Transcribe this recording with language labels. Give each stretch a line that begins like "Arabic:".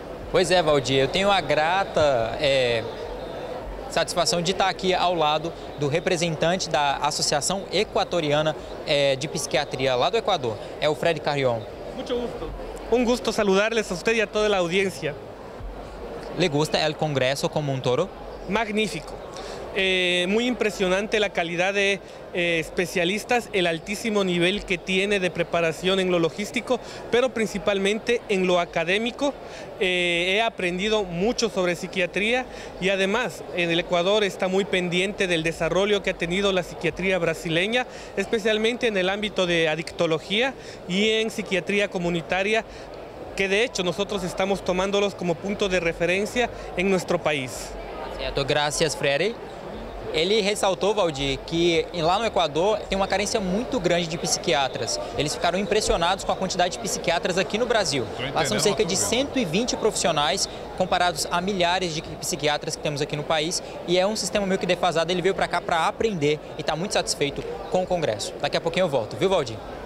Portuguese: Pois é, Valdir, eu tenho a grata satisfação de estar aqui ao lado do representante da Associação Equatoriana de Psiquiatria lá do Equador. É o Fred Carrion.
Spanish: Muito gusto. Um gusto saludar-lhes
Portuguese: a você e a toda a audiência.
Spanish: ¿Le gusta el Congreso como un toro? Magnífico. Muy impresionante la calidad de especialistas, el altísimo nivel que tiene de preparación en lo logístico, pero principalmente en lo académico. He aprendido mucho sobre psiquiatría y además en el Ecuador está muy pendiente del desarrollo que ha tenido la psiquiatría brasileña, especialmente en el ámbito de adictología y en psiquiatría comunitaria, que de hecho nosotros estamos tomándolos como punto de referencia en nuestro país.
Portuguese: Certo, gracias, Freddy. Ele ressaltou, Valdir, que lá no Equador tem uma carência muito grande de psiquiatras. Eles ficaram impressionados com a quantidade de psiquiatras aqui no Brasil. Lá são cerca de 120 profissionais, comparados a milhares de psiquiatras que temos aqui no país. E é um sistema meio que defasado. Ele veio para cá para aprender e está muito satisfeito com o Congresso. Daqui a pouquinho eu volto, viu, Valdir?